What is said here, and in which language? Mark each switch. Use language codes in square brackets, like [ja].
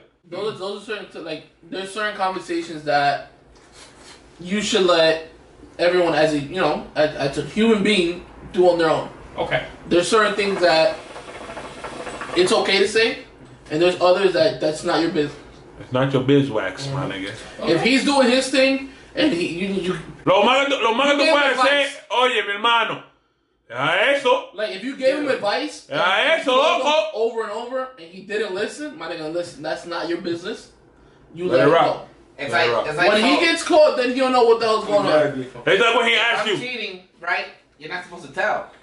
[en] Those are certain, like, there's certain conversations that you should let everyone as a, you know, as a human being do on their own. Okay. There's certain things that it's okay to say, and there's others that that's not your business. It's not your bizwax, my nigga. If he's doing his thing, and he... [es] Lo malo que puede ser, oye, mi hermano. A eso. [en] Like, if you gave him advice, over and over, and he didn't listen, my nigga, listen, that's not your business. You let it rock. When he gets caught, then he don't know what the hell's going on. It's like when he asks you. I'm cheating, right? You're not supposed to tell.